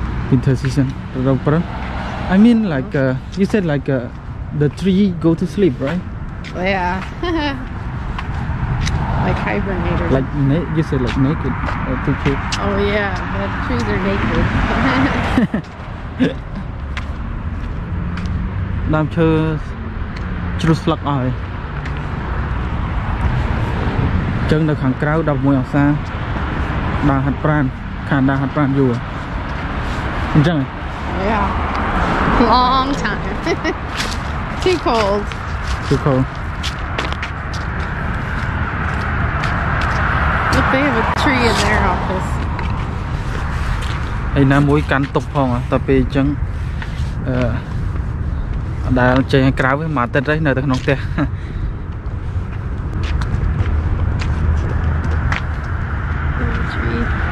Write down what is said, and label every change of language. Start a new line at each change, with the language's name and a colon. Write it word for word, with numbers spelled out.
English: winter season រដូវព្រិល I mean like uh, you said like uh, the tree go to sleep right yeah like hibernate or like na- you said like naked uh, to keep oh yeah the trees are naked
Khmer: ដើមឈើជ្រុះស្លឹកអស់ហើយចឹងនៅខាងក្រៅ11អង្សាដើរហាត់ប្រាណខាងដើរហាត់ប្រាណយូរអញ្ចឹង
English: yeah long time too cold too cold They have a tree in their office.
Khmer: ឯណាមួយកាន់ទុកផងតែពេលអញ្ចឹងអឺដើរចេញឲ្យក្រៅវិញមួយអាទិត្យនៅក្នុងផ្ទះ
English: Tree.